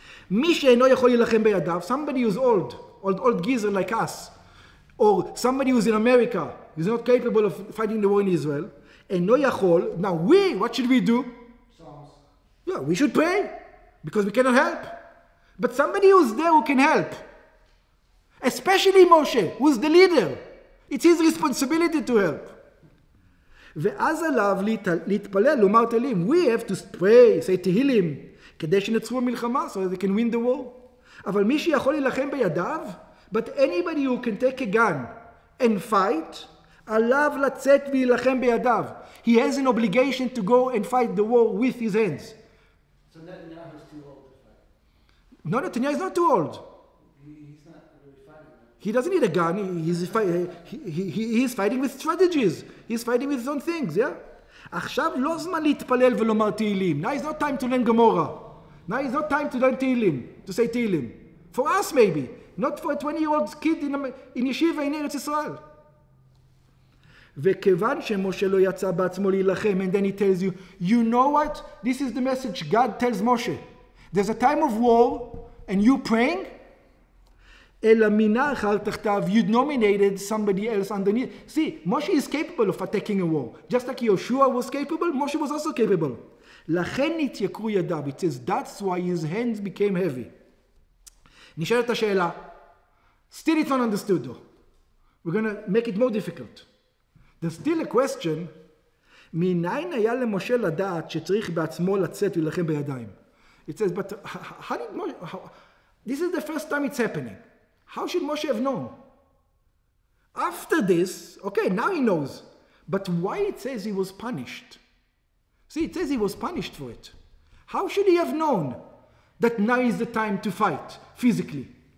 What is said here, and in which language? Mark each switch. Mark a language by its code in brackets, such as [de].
[he] מי שאינו יכול להילחם בידיו, [en] somebody who's old geezer like us, or somebody who's in America, who's not capable of fighting the war in Israel, [he] אינו יכול, [en] now we, what should we do? Psalms. Yeah, we should pray, because we cannot help. But somebody who's there who can help, especially Moshe, who's the leader, it's his responsibility to help. [he] ואז עליו להתפלל, לומר תהילים, [en] we have to pray, say [he] תהילים, כדי שנצחו במלחמה, [en] so they can win the war. [he] אבל מי שיכול להילחם בידיו, [en] But anybody who can take a gun and fight, [he] alav latzet v'ilachem b'yadav. [en] He has an obligation to go and fight the war with his hands. So Netanyahu is too old to fight. No, Netanyahu is not too old. He's not really fighting. He doesn't need a gun. He's fighting with strategies. He's fighting with his own things, yeah? [he] עכשיו לא זמן להתפלל ולומר תהילים. [en] Now is not time to learn Gomorrah. Now is not time to learn Tehillim, to say Tehillim. For us maybe, not for a 20-year-old kid in yeshiva in Eretz Yisrael. [he] וכיוון שמשה לא יצא בעצמו להילחם, [en] and then he tells you, you know what? This is the message God tells Moshe. There's a time of war, and you praying? [he] אלא מינה אחר תחתיו, [en] you nominated somebody else underneath. See, Moshe is capable of attacking a war. Just like Yeshua was capable, Moshe was also capable. [he] לכן התייקרו ידיו. [en] It says, that's why his hands became heavy. [he] נשאלת השאלה. [en] Still it's not understood though. We're going to make it more difficult. There's still a question. [he] מניין היה למשה לדעת שצריך בעצמו לצאת ולחם בידיים? [en] It says, but how did Moshe... This is the first time it's happening. How should Moshe have known? After this, okay, now he knows. But why it says he was punished? See, it says he was punished for it. How should he have known that now is the time to fight physically?